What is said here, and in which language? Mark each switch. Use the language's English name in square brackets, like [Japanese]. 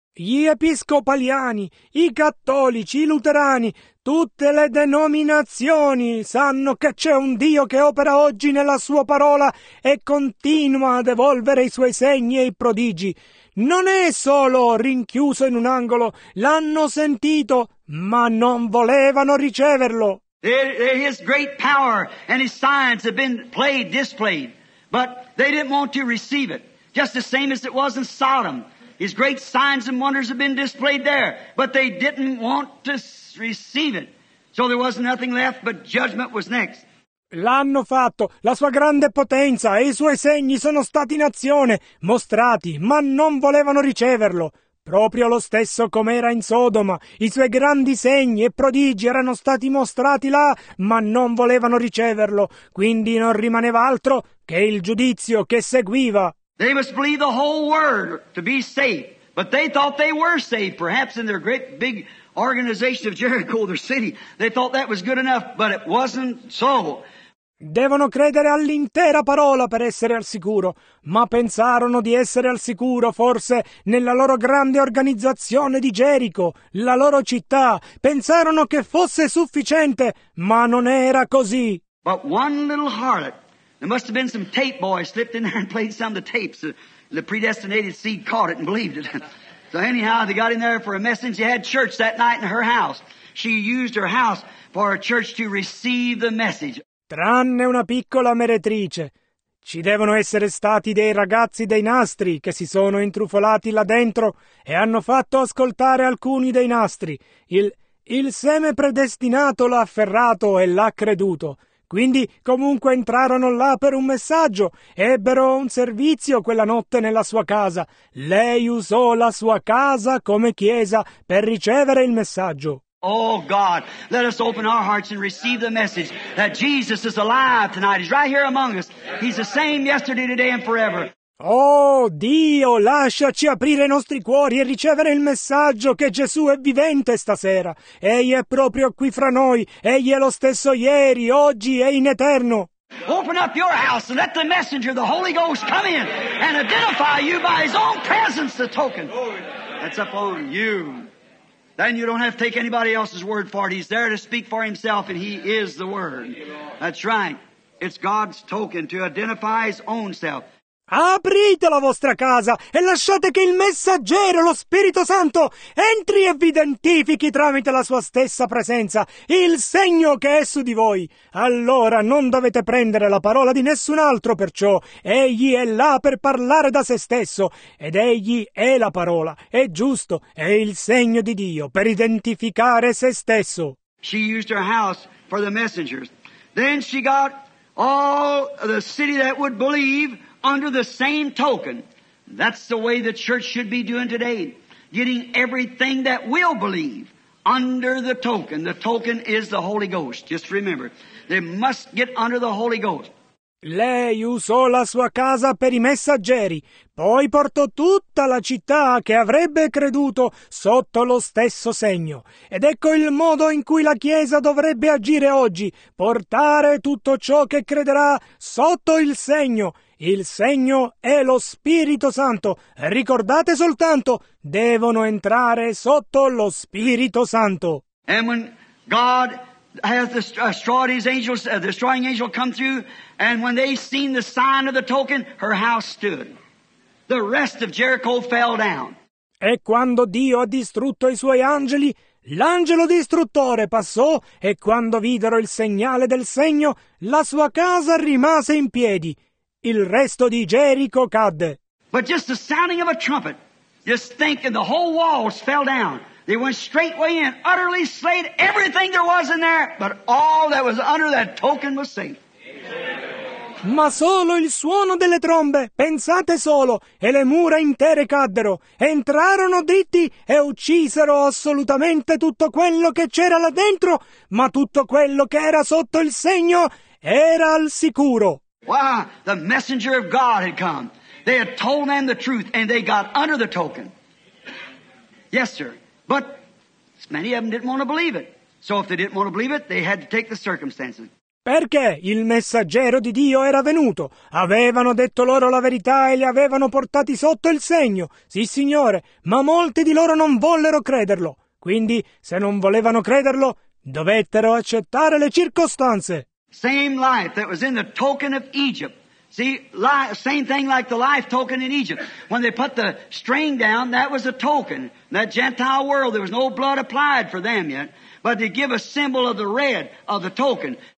[Italian] Gli episcopaliani, i cattolici, i luterani, tutte le denominazioni sanno che c'è un Dio che opera oggi nella Sua parola e continua ad evolvere i Suoi segni e i prodigi. Non è solo rinchiuso in un angolo, l'hanno sentito, ma non volevano riceverlo. [English] His great power and His signs have been played, displayed, but they didn't want to receive it, just the same as it was in Sodom. His great signs and wonders have been displayed there, but they didn't want to receive it. So there was nothing left, but judgment was next. [Italian] L'hanno fatto, la sua grande potenza e i suoi segni sono stati in azione, mostrati, ma non volevano riceverlo. Proprio lo stesso come era in Sodoma, i suoi grandi segni e prodigi erano stati mostrati là, ma non volevano riceverlo. Quindi non rimaneva altro che il giudizio che seguiva. [English] They must believe the whole word to be saved, but they thought they were saved. Perhaps in their great big organization of Jericho, their city, they thought that was good enough, but it wasn't so. [Italian] Devono credere all'intera parola per essere al sicuro, ma pensarono di essere al sicuro forse nella loro grande organizzazione di Gerico, la loro città. Pensarono che fosse sufficiente, ma non era così. [English] But one little harlot, there must have been some tape boy slipped in there and played some of the tapes. The predestinated seed caught it and believed it. So anyhow, they got in there for a message. They had church that night in her house. She used her house for her church to receive the message. [Italian] Tranne una piccola meretrice. Ci devono essere stati dei ragazzi dei nastri che si sono intrufolati là dentro e hanno fatto ascoltare alcuni dei nastri. Il seme predestinato l'ha afferrato e l'ha creduto. Quindi comunque entrarono là per un messaggio. Ebbero un servizio quella notte nella sua casa. Lei usò la sua casa come chiesa per ricevere il messaggio. [English] Oh God, let us open our hearts and receive the message that Jesus is alive tonight. He's right here among us. He's the same yesterday, today and forever. [Italian] Oh Dio, lasciaci aprire i nostri cuori e ricevere il messaggio che Gesù è vivente stasera. Egli è proprio qui fra noi. Egli è lo stesso ieri, oggi e in eterno. [English] Open up your house and let the messenger, the Holy Ghost, come in and identify you by his own presence, the token. That's upon you. Then you don't have to take anybody else's word for it. He's there to speak for himself, and he is the word. That's right. It's God's token to identify his own self. [Italian] Aprite la vostra casa e lasciate che il messaggero, lo Spirito Santo, entri e vi identifichi tramite la sua stessa presenza, il segno che è su di voi. Allora non dovete prendere la parola di nessun altro, perciò egli è là per parlare da se stesso, ed egli è la parola, è giusto, è il segno di Dio per identificare se stesso. [English] She used her house for the messengers. Then she got all the city that would believe under the same token. That's the way the church should be doing today, getting everything that will believe under the token. The token is the Holy Ghost. Just remember, they must get under the Holy Ghost. [Italian] Lei usò la sua casa per i messaggeri, poi portò tutta la città che avrebbe creduto sotto lo stesso segno. Ed ecco il modo in cui la Chiesa dovrebbe agire oggi, portare tutto ciò che crederà sotto il segno. Il segno è lo Spirito Santo. Ricordate soltanto, devono entrare sotto lo Spirito Santo. [English] And when God has destroyed his angels, the destroying angel come through, and when they seen the sign of the token, her house stood. The rest of Jericho fell down. [Italian] E quando Dio ha distrutto i suoi angeli, l'angelo distruttore passò, e quando videro il segnale del segno, la sua casa rimase in piedi. Il resto di Gerico cadde. [English] But just the sounding of a trumpet, just think, and the whole walls fell down. They went straightway in, utterly slayed everything there was in there, but all that was under that token was safe. Amen. [Italian] Ma solo il suono delle trombe, pensate solo, e le mura intere caddero, entrarono dritti e uccisero assolutamente tutto quello che c'era là dentro, ma tutto quello che era sotto il segno era al sicuro. [English] Wow, the messenger of God had come. They had told them the truth, and they got under the token. Yes, sir. But many of them didn't want to believe it. So if they didn't want to believe it, they had to take the circumstances. [Italian] Perché il messaggero di Dio era venuto. Avevano detto loro la verità e li avevano portati sotto il segno. Sì, signore, ma molti di loro non vollero crederlo. Quindi, se non volevano crederlo, dovettero accettare le circostanze. [English] Same life that was in the token of Egypt. See, same thing like the life token in Egypt. When they put the string down, that was a token. That Gentile world, there was no blood applied for them yet. But they give a symbol of the red, of the token.